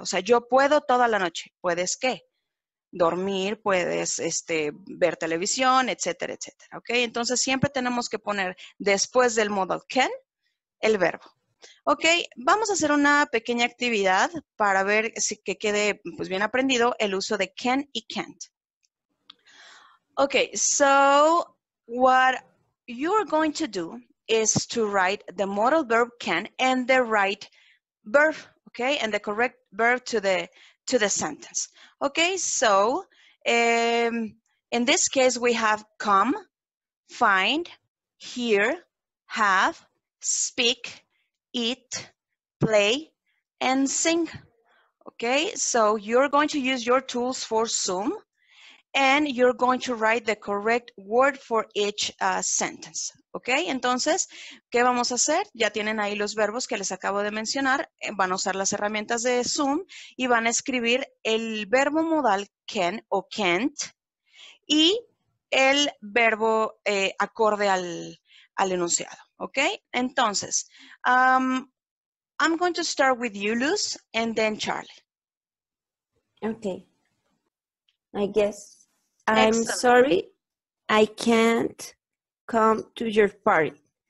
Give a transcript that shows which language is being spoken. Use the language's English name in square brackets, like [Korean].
[Spanish] O sea, yo puedo toda la noche. ¿Puedes qué? Dormir, puedes ver televisión, etcétera, etcétera. ¿Ok? Entonces, siempre tenemos que poner después del modal can el verbo. ¿Ok? Vamos a hacer una pequeña actividad para ver si que quede pues, bien aprendido el uso de can y can't. [English] Ok, so what you're going to do is to write the modal verb can and the right verb. Okay, and the correct verb to the sentence. Okay, so in this case we have come, find, hear, have, speak, eat, play, and sing. Okay, so you're going to use your tools for Zoom and you're going to write the correct word for each sentence. [Spanish] Okay, entonces, ¿qué vamos a hacer? Ya tienen ahí los verbos que les acabo de mencionar. Van a usar las herramientas de Zoom y van a escribir el verbo modal can o can't y el verbo acorde al enunciado. [English] Okay, entonces, I'm going to start with you, Luz, and then Charlie. Okay. I guess. I'm sorry, I can't come to your party.